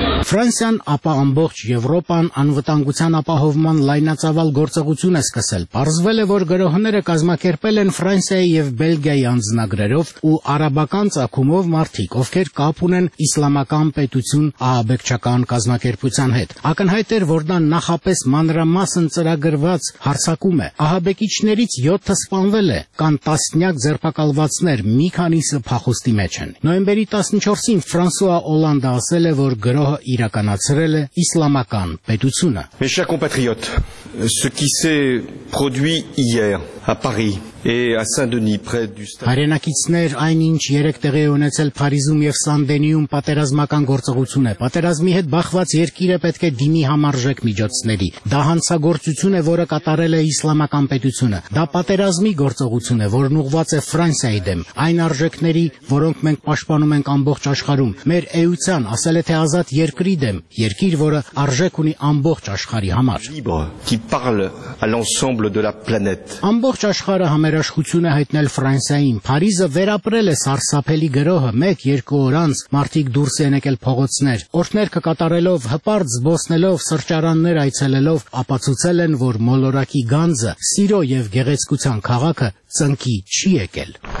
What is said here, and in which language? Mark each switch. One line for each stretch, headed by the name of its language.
Armenian: Ֆրանսիան, ապա ամբողջ Եվրոպան անվտանգության ապահովման լայնածավալ գործողություն է սկսել։ Պարզվել է, որ գրոհները կազմակերպել են Ֆրանսիայի և Բելգիայի անձնագրերով ու արաբական ծագումով մարդիկ, ովքեր կապ ունեն իսլամական պետություն ԱԱԲԿ-ական կազմակերպության հետ։ Ակնհայտ էր, որ դա նախապես մանրամասն ծրագրված հարձակում է։ ԱԱԲԿ-իչներից 7-ը սպանվել է, կան տասնյակ ձերբակալվածներ, մի քանիսը փախուստի մեջ են։ Նոյեմբերի 14-ին Ֆրանսուա Օլանդը ասել է, որ գրոհը իրականացրել է իսլամական պետությունը։
French: Mes chers compatriotes, ce qui s'est produit hier à Paris et à Saint-Denis près du stade.
Armenian: Հայրենակիցներ, այնինչ 3 տեղի ունեցել Փարիզում եւ Սան-Դենիում պատերազմական գործողություն է։ Պատերազմի հետ բախված երկիրը պետք է դիմի համարժեք միջոցների։ Դա հանցագործություն է, որը կատարել է իսլամական պետությունը։ Դա պատերազմի գործողություն է, որն ուղղված է Ֆրանսիայի դեմ, այն արժեքների, որոնք մենք պաշտպանում ենք ամբողջ աշխարհում, մեր էության, ասել է թե ազատ երկրի դեմ, երկիր, որը արժեք ունի ամբողջ աշխարհի համար։
French: Qui parle à l'ensemble de la planète.
Armenian: Ամբողջ աշխարհը համերաշխություն է հայտնել Ֆրանսիային։ Փարիզը վերապրել է սարսափելի գրոհը 1-2 օր անց, մարդիկ դուրս են եկել փողոցներ, օրհներ կկատարելով, հպարտ զբոսնելով, սրճարաններ այցելելով, ապացուցել են, որ մոլորակի գանձը, սիրո եւ գեղեցկության քաղաքը ծնկի չի եկել։